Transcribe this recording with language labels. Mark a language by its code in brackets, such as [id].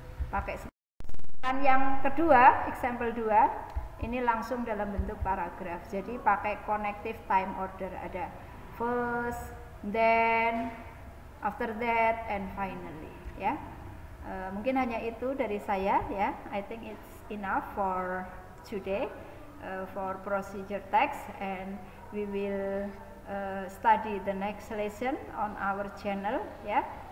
[id] Pakai dan yang kedua, example 2, ini langsung dalam bentuk paragraf. Jadi pakai connective time order, ada first, then, after that and finally, ya. Mungkin hanya itu dari saya ya. [en] I think it's enough for today for procedure text, and we will study the next lesson on our channel ya.